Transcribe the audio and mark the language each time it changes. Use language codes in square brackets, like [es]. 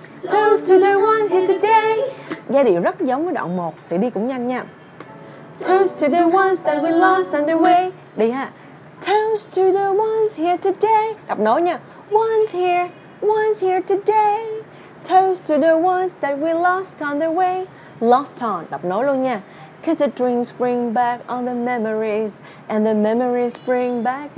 [en] Toast to the ones here today. [vi] Giai điệu rất giống với đoạn 1, thì đi cũng nhanh nha. [en] Toast to the ones that we lost on the way. [vi] Đi ha. [en] Toast to the ones here today. [vi] Đọc nối nha. [en] Ones here. Ones here today. Toast to the ones that we lost on the way. Lost on. [vi] Đọc nối luôn nha. [en] Cause the drinks bring back all the memories. And the memories bring back.